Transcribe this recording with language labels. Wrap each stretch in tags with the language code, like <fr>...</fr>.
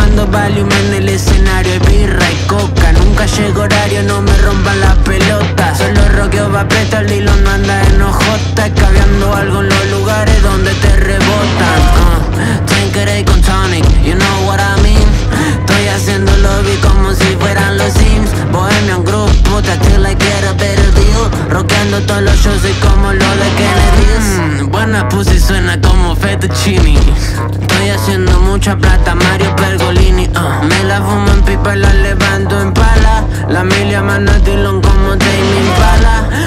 <es>Valium en el escenario, es birra y coca. Nunca llego horario, no me rompan la pelota. Solo roqueo va presto, el hilo no anda en OJ. Cabeando algo en los lugares donde te rebotan. Tanker ahí con Tonic,</es> <en>you know what I mean.</en> <es>Estoy haciendo lobby como si fueran los Sims.</es> <en>Bohemian Group, puta, still I get a better deal.</en> <es>Roqueando todos los shows, soy como lo de Kennedy. Buena pussy, suena como Fettuccini. Estoy haciendo mucha plata, Mario Pergolini. Me la fumo en pipa y la levanto en pala. La milia mano a Dillon como Tame Impala.</es>